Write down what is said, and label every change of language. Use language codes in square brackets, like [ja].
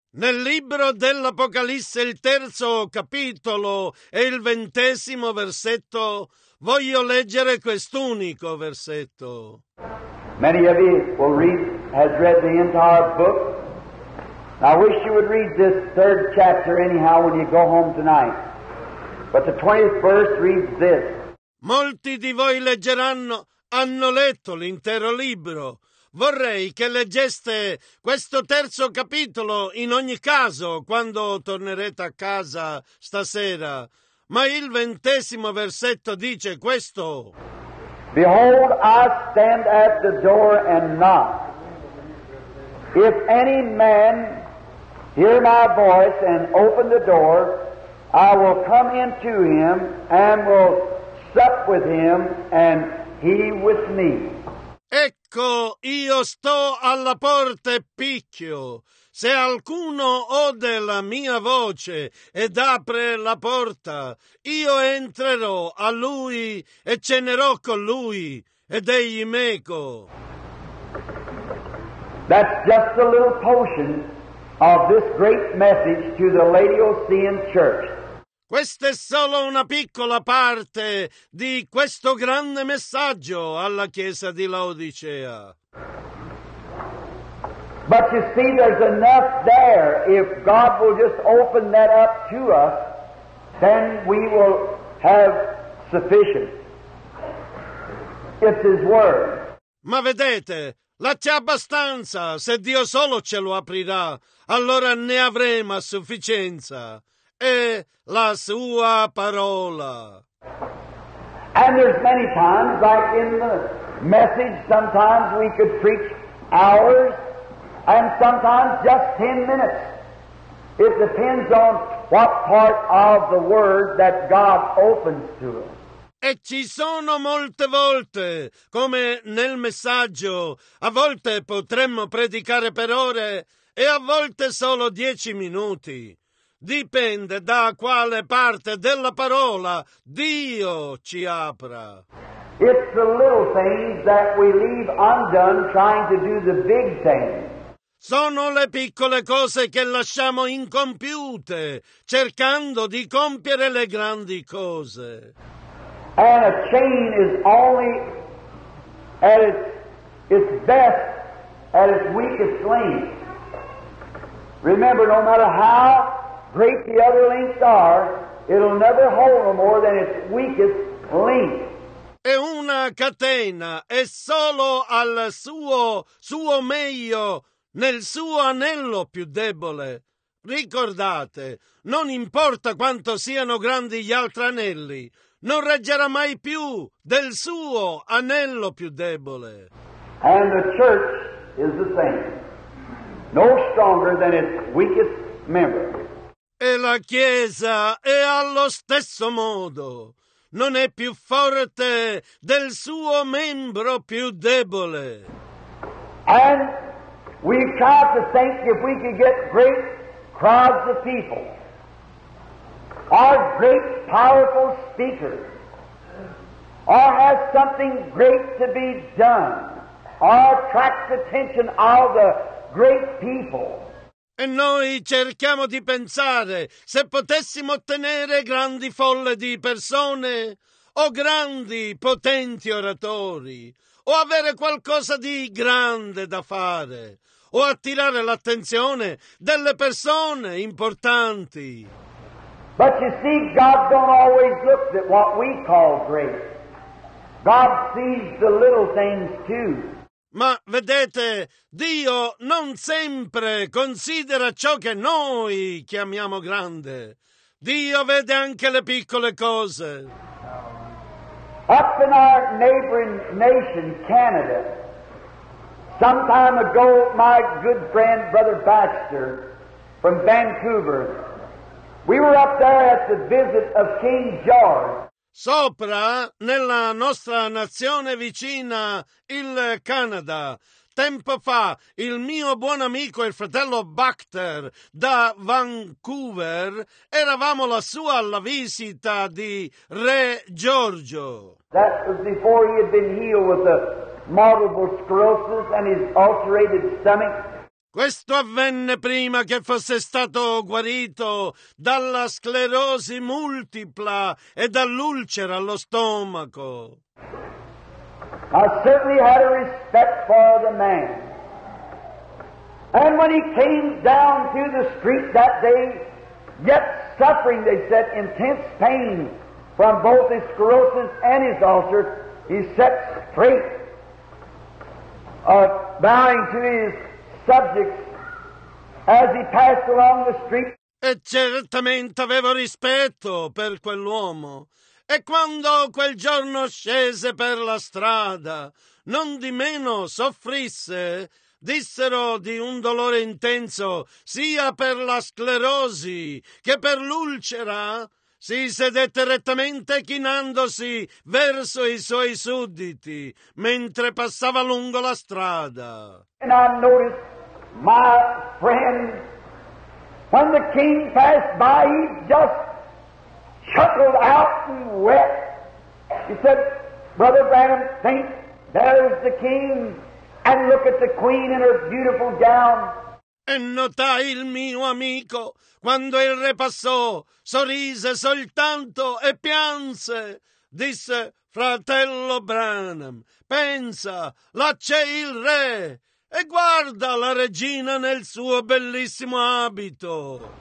[it] Nel libro dell'Apocalisse, il terzo capitolo e il ventesimo versetto, voglio leggere quest'unico versetto. [en] Many of you will read, has read the entire book. I wish you would read this third chapter anyhow when you go home tonight. But the 20th verse reads this. [it] Molti di voi leggeranno, hanno letto l'intero libro. Vorrei che leggeste questo terzo capitolo in ogni caso quando tornerete a casa stasera. Ma il ventesimo versetto dice questo. [en] Behold, I stand at the door and knock. If any man hear my voice and open the door, I will come into him and will sup with him and he with me. [it] Ecco, io sto alla porta e picchio. Se alcuno ode la mia voce ed apre la porta, io entrerò a lui e cenerò con lui ed egli meco. [en] That's just a little portion of this great message to the Laodicean church. [it] Questa è solo una piccola parte di questo grande messaggio alla Chiesa di Laodicea. [en] But you see, there's enough there. If God will just open that up to us, then we will have sufficient. It's His Word. [it] Ma vedete, là c'è abbastanza. Se Dio solo ce lo aprirà, allora ne avremo a sufficienza. E la sua parola. [en] And there's many times, like in the message, sometimes we could preach hours and sometimes just 10 minutes. It depends on what part of the word that God opens to us. [it] E ci sono molte volte, come nel messaggio, a volte potremmo predicare per ore e a volte solo 10 minuti. Dipende da quale parte della parola Dio ci apra. [en] It's the little things that we leave undone trying to do the big things. [it] Sono le piccole cose che lasciamo incompiute cercando di compiere le grandi cose. [en] And a chain is only at its best at its weakest link. Remember, no matter how great the other links are, it'll never hold more than its weakest link. [it] E una catena è solo al suo meglio, nel suo anello più debole. Ricordate, non importa quanto siano grandi gli altri anelli, non reggerà mai più del suo anello più debole. [en] And the church is the same, no stronger than its weakest member. [it] E la Chiesa è allo stesso modo. Non è più forte del suo membro più debole. [en] And we've tried to think if we could get great crowds of people or great, powerful speaker, or has something great to be done, or attracts the attention of the great people. [it] E noi cerchiamo di pensare se potessimo ottenere grandi folle di persone, o grandi, potenti oratori, o avere qualcosa di grande da fare, o attirare l'attenzione delle persone importanti. [en] But you see, God don't always look at what we call great. God sees the little things too. [it] Ma vedete, Dio non sempre considera ciò che noi chiamiamo grande. Dio vede anche le piccole cose. [en] Up in our neighboring nation, Canada, some time ago, my good friend, Brother Baxter, from Vancouver, we were up there at the visit of King George. [it] Sopra, nella nostra nazione vicina, il Canada, tempo fa, il mio buon amico, il fratello Baxter, da Vancouver, eravamo lassù alla visita di Re Giorgio. [en] That was before he had been healed with the multiple sclerosis and his ulcerated stomach. [it] Questo avvenne prima che fosse stato guarito dalla sclerosi multipla e dall'ulcera allo stomaco. [en] I certainly had a respect for the man. And when he came down to the street that day, yet suffering, they said, intense pain from both his sclerosis and his ulcer, he sat straight, bowing to his subjects as he passed along the street. [it] E certamente avevo rispetto per quell'uomo. E quando quel giorno scese per la strada, non di meno soffrisse, dissero di un dolore intenso sia per la sclerosi che per l'ulcera. Si sedette rettamente chinandosi verso i suoi sudditi mentre passava lungo la strada. [en] And I noticed my friend, when the king passed by, he just chuckled out and wept. He said, Brother Branham, think, there's the king, and look at the queen in her beautiful gown. [it] E notai il mio amico, quando il re passò, sorrise soltanto e pianse. Disse, fratello Branham, pensa, là c'è il re, e guarda la regina nel suo bellissimo abito.